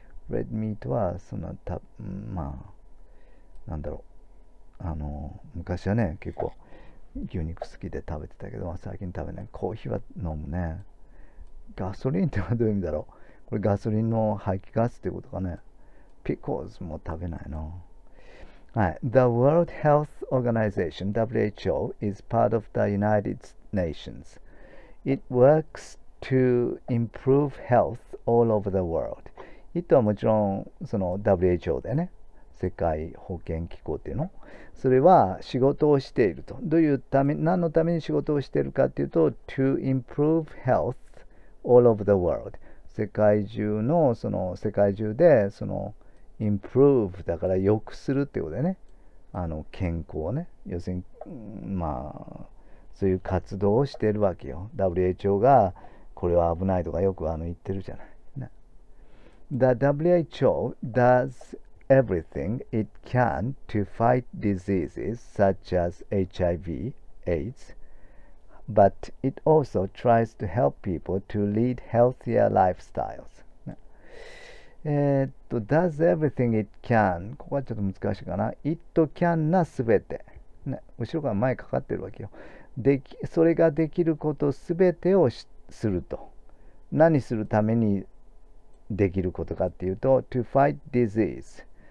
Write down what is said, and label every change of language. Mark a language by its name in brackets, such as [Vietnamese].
[Japanese] レッドミートは、そんな、まあ、なんだろう。昔はね、結構、牛肉好きで食べてたけど、最近食べない。コーヒーは飲むね。ガソリンってはどういう意味だろう。これ、ガソリンの排気ガスってことかね。ピコーズも食べないの。はい。 [English] The World Health Organization, WHO, is part of the United Nations. It works to improve health all over the world. [Japanese] It はもちろん、その WHO だよね。世界保健機構っていうの。それは仕事をしていると。どういうため、何のために仕事をしているかっていうと、 [English] to improve health all over the world。 [Japanese] 世界中の、その世界中で、その、improve だから良くするっていうことでね。健康ね。要するに、まあ、そういう活動をしてるわけよ。 WHO がこれは危ないとかよく言ってるじゃない。 [English] ね、The WHO does everything it can to fight diseases such as HIV, AIDS, but it also tries to help people to lead healthier lifestyles. does everything it can. [Japanese] ここはちょっと難しいかな。 [English] it can [Japanese] なすべて。ね、後ろから前かかってるわけよ。それができることすべてをすると。何するためにできることかっていうと、 [English] to fight disease。